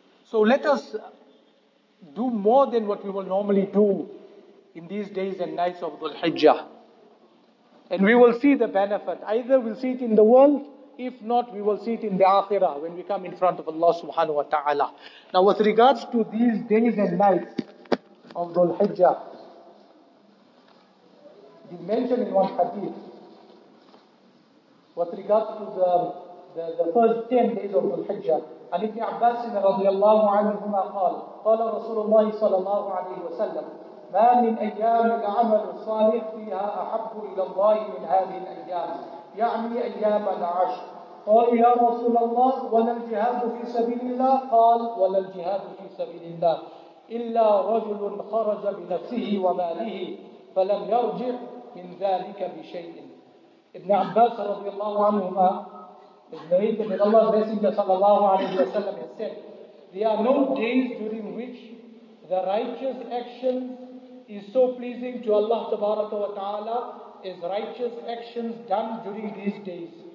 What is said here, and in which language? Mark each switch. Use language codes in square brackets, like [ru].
[en] So let us do more than what we will normally do in these days and nights of Dhul Hijjah. And we will see the benefit. Either we'll see it in the world, if not, we will see it in the Akhirah when we come in front of Allah subhanahu wa ta'ala. Now with regards to these days and nights of Dhul Hijjah, you mentioned in one hadith, with regards to the first 10 days of Dhul Hijjah, [ar] عن ابن عباس رضي الله عنهما قال قال رسول الله صلى الله عليه وسلم ما من أيام العمل الصالح فيها أحب إلى الله من هذه الأيام يعني أيام العشر قال يا رسول الله ولا الجهاد في سبيل الله قال ولا الجهاد في سبيل الله إلا رجل خرج بنفسه وماله فلم يرجع من ذلك بشيء. [en] ابن عباس رضي الله عنهما is narrated that Allah's Messenger sallallahu alayhi wa sallam has said, there are no days during which the righteous action is so pleasing to Allah tabaraka wa ta'ala as righteous actions done during these days.